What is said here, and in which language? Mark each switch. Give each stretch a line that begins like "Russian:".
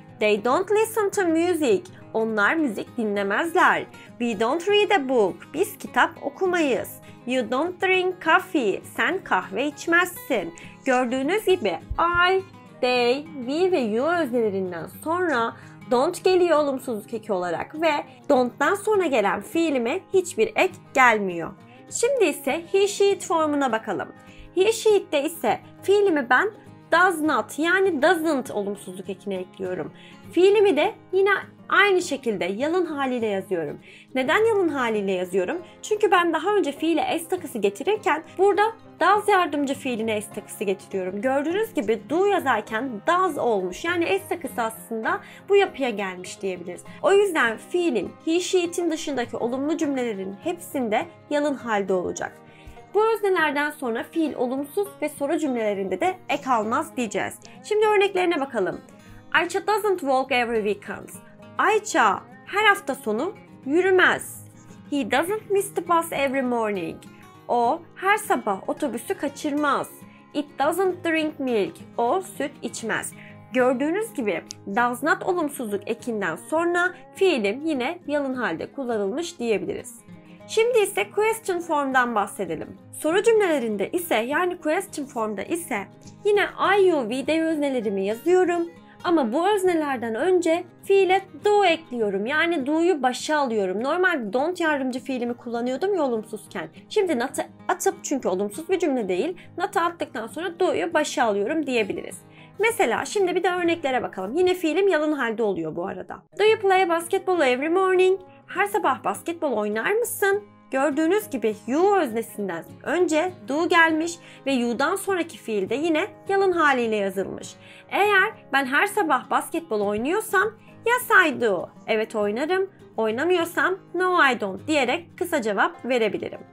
English: They don't listen to music.
Turkish: Onlar müzik dinlemezler.
English: We don't read a book.
Turkish: Biz kitap okumayız.
English: You don't drink coffee.
Turkish: Sen kahve içmezsin. Gördüğünüz gibi I, they, we ve you öznelerinden sonra don't geliyor olumsuzluk eki olarak ve don't'tan sonra gelen fiilime hiçbir ek gelmiyor. Şimdi ise he, she, it formuna bakalım. He, she, it'te ise fiilimi ben does not, yani doesn't olumsuzluk ekine ekliyorum. Fiilimi de yine aynı şekilde yalın haliyle yazıyorum. Neden yalın haliyle yazıyorum? Çünkü ben daha önce fiile s takısı getirirken burada does yardımcı fiiline s takısı getiriyorum. Gördüğünüz gibi do yazarken does olmuş. Yani s takısı aslında bu yapıya gelmiş diyebiliriz. O yüzden fiilin, he, she, it'in dışındaki olumlu cümlelerin hepsinde yalın halde olacak. Bu öznelerden sonra fiil olumsuz ve soru cümlelerinde de ek almaz diyeceğiz. Şimdi örneklerine bakalım.
English: Ayça doesn't walk every weekend.
Turkish: Ayça her hafta sonu yürümez.
English: He doesn't miss the bus every morning.
Turkish: O her sabah otobüsü kaçırmaz.
English: It doesn't drink milk.
Turkish: O süt içmez. Gördüğünüz gibi does not olumsuzluk ekinden sonra fiilim yine yalın halde kullanılmış diyebiliriz. Şimdi ise question form'dan bahsedelim. Soru cümlelerinde ise, yani question form'da ise yine I, you, we, they öznelerimi yazıyorum. Ama bu öznelerden önce fiile do ekliyorum. Yani do'yu başa alıyorum. Normal don't yardımcı fiilimi kullanıyordum ya olumsuzken. Şimdi not'ı atıp, çünkü olumsuz bir cümle değil, not'ı attıktan sonra do'yu başa alıyorum diyebiliriz. Mesela şimdi bir de örneklere bakalım. Yine fiilim yalın halde oluyor bu arada.
English: Do you play basketball every morning?
Turkish: Her sabah basketbol oynar mısın? Gördüğünüz gibi you öznesinden önce do gelmiş ve you'dan sonraki fiil de yine yalın haliyle yazılmış. Eğer ben her sabah basketbol oynuyorsam
English: yes I do,
Turkish: evet oynarım. Oynamıyorsam
English: no I don't
Turkish: diyerek kısa cevap verebilirim.